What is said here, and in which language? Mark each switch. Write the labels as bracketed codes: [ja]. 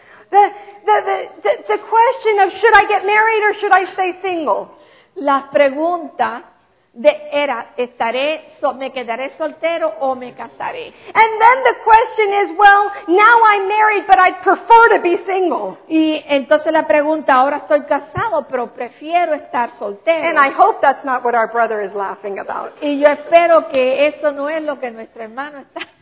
[en] The question of should I get married or should I stay single? [es] La pregunta era, ¿me quedaré soltero o me casaré? [en] And then the question is, well, now I'm married, but I'd prefer to be single. [es] Y entonces la pregunta, ahora estoy casado, pero prefiero estar soltero. [en] And I hope that's not what our brother is laughing about. [es] Y yo espero que eso no es lo que nuestro hermano está.